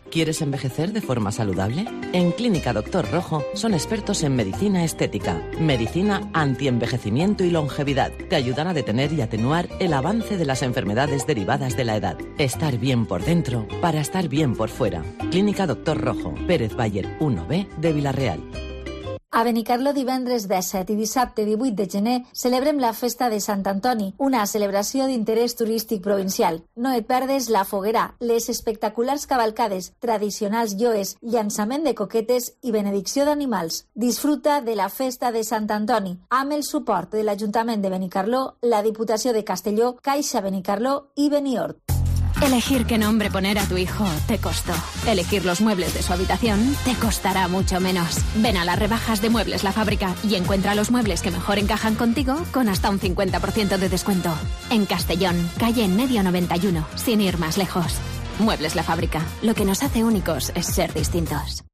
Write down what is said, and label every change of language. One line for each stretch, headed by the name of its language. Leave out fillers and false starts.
Spanish: ¿Quieres envejecer de forma saludable? En Clínica Doctor Rojo son expertos en medicina estética, medicina antienvejecimiento y longevidad. Te ayudan a detener y atenuar el avance de las enfermedades derivadas de la edad. Estar bien por dentro para estar bien por fuera. Clínica Doctor Rojo, Pérez Bayer 1B de Villarreal.
Catalan: A Benicarló divendres 17 i dissabte 18 de gener celebrem la Festa de Sant Antoni, una celebració d'interès turístic provincial. No et perdes la foguera, les espectaculars cavalcades, tradicionals joes, llançament de coquetes i benedicció d'animals. Disfruta de la Festa de Sant Antoni amb el suport de l'Ajuntament de Benicarló, la Diputació de Castelló, Caixa Benicarló i Beniort.
Spanish: Elegir qué nombre poner a tu hijo te costó. Elegir los muebles de su habitación te costará mucho menos. Ven a las rebajas de Muebles La Fábrica y encuentra los muebles que mejor encajan contigo con hasta un 50% de descuento. En Castellón, calle en medio 91, sin ir más lejos. Muebles La Fábrica, lo que nos hace únicos es ser distintos.